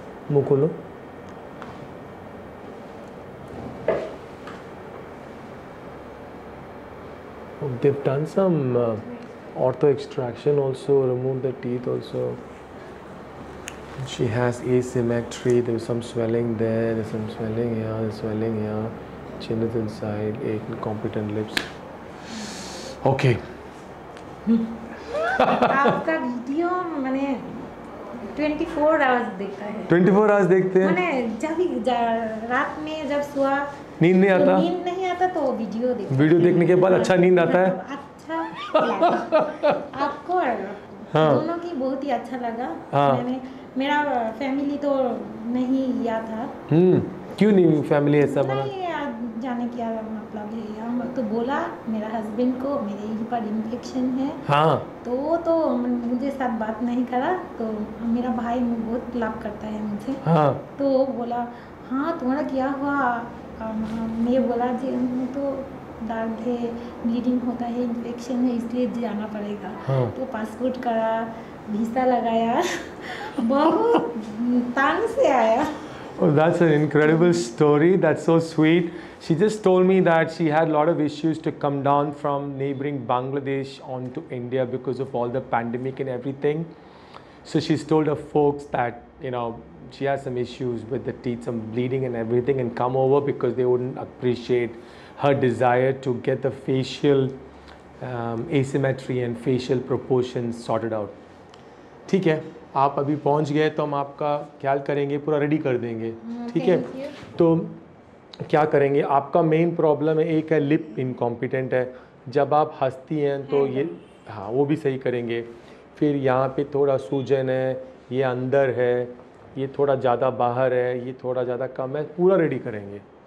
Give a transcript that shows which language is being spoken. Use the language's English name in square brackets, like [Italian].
[Hindi] मुंह खोलो, [English] they've done some ortho extraction also, removed the teeth also. She has asymmetry, there's some swelling there, there's some swelling here, chin is inside, eight incompetent lips. Okay. [Hindi] आपका video मैंने 24 hours देखा है। 24 hours देखते हैं? मैंने जब रात में जब सुआ नींद नहीं आता, नींद नहीं आता तो वीडियो देखते, वीडियो देखने के बाद अच्छा नींद आता है। अच्छा आपको हाँ। दोनों की बहुत ही अच्छा लगा। हाँ। मैंने मेरा फैमिली तो नहीं लिया था। क्यों नहीं फैमिली ऐसा बना? नहीं जाने की मतलब है, हम तो बोला मेरा हस्बैंड को मेरे यहीं पर इन्फेक्शन है। हाँ। तो मुझे साथ बात नहीं करा, तो मेरा भाई बहुत लाभ करता है मुझे। हाँ। तो बोला हाँ थोड़ा क्या हुआ, मैं बोला जी हमें तो दर्द है, ब्लीडिंग होता है, इन्फेक्शन है, इसलिए जाना पड़ेगा। हाँ। तो पासपोर्ट करा, वीसा लगाया, बहुत तंग से आया। [English] Oh, that's an incredible story. That's so sweet. She just told me that she had a lot of issues to come down from neighboring Bangladesh onto India because of all the pandemic and everything. So she's told her folks that, you know, she has some issues with the teeth, some bleeding and everything, and come over because they wouldn't appreciate her desire to get the facial asymmetry and facial proportions sorted out. [Hindi] ठीक है, आप अभी पहुंच गए तो हम आपका ख्याल करेंगे, पूरा रेडी कर देंगे। ठीक है, तो क्या करेंगे, आपका मेन प्रॉब्लम है एक है लिप इनकॉम्पिटेंट है, जब आप हंसती हैं तो ये हाँ वो भी सही करेंगे, फिर यहाँ पे थोड़ा सूजन है, ये अंदर है, ये थोड़ा ज़्यादा बाहर है, ये थोड़ा ज़्यादा कम है, पूरा रेडी करेंगे।